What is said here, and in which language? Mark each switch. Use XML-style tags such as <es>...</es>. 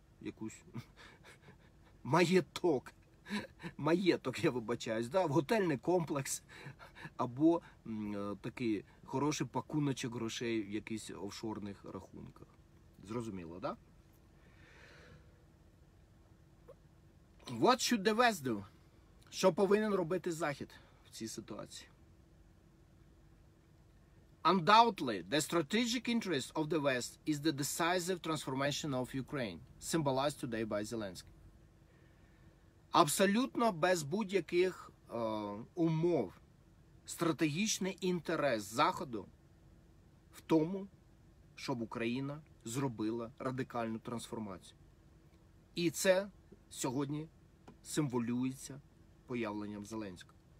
<uk>якусь маєток. Маєток, я вибачаюсь, да, в готельний комплекс або такий хороший пакуночок грошей в якихось офшорних рахунках. Зрозуміло, да?</uk> <en>What should the West do?</en> <uk>Що повинен робити Захід в цій ситуації?</uk> <en>Undoubtedly, the strategic interest of the West is the decisive transformation of Ukraine, symbolized today by Zelensky.</en> <uk>Абсолютно без будь-яких умов стратегічний інтерес Заходу в тому, щоб Україна зробила радикальну трансформацію. І це сьогодні символюється появленням Зеленського.</uk>